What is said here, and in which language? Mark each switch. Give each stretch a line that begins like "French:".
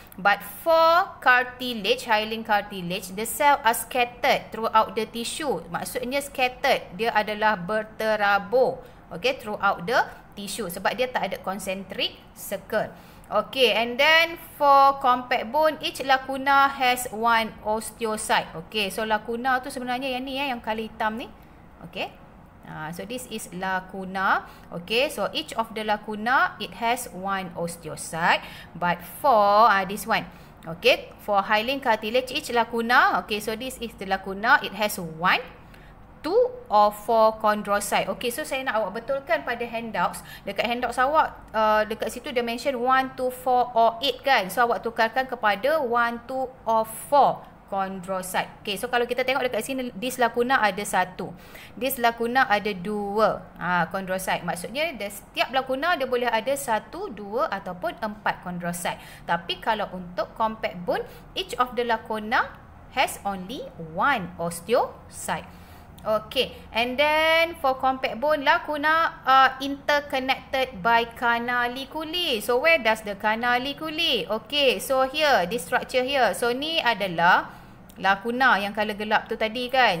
English: But for cartilage, hyaline cartilage, the cell are scattered throughout the tissue.
Malay: Maksudnya scattered, dia adalah berterabur.
English: Okay, throughout the tissue
Malay: sebab dia tak ada
English: concentric circle. Okay, and then for compact bone, each lacuna has one osteocyte.
Malay: Okay, so lacuna tu sebenarnya yang ni ya, yang colour hitam ni. Okay.
English: So this is lacuna. Okay, so each of the lacuna, it has one osteocyte. But for this one, okay, for hyaline cartilage, each lacuna, okay, so this is the lacuna, it has one, two or four chondrocyte.
Malay: Okay, so saya nak awak betulkan pada handouts. Dekat handouts awak, dekat situ dia mention 1, 2, 4 or 8 kan. So awak tukarkan kepada 1, 2 or 4 chondrocyte. Okay, so kalau kita tengok dekat sini, this lacuna ada satu, this lacuna ada dua chondrocyte. Maksudnya setiap lacuna dia boleh ada 1, 2 ataupun 4 chondrocyte. Tapi kalau untuk
English: compact bone, each of the lacuna has only one osteocyte. Okay, and then for compact bone, lacuna are interconnected by canaliculi. So where does the canaliculi? Okay, so here, this structure here.
Malay: So ni adalah lacuna yang colour gelap tu tadi kan.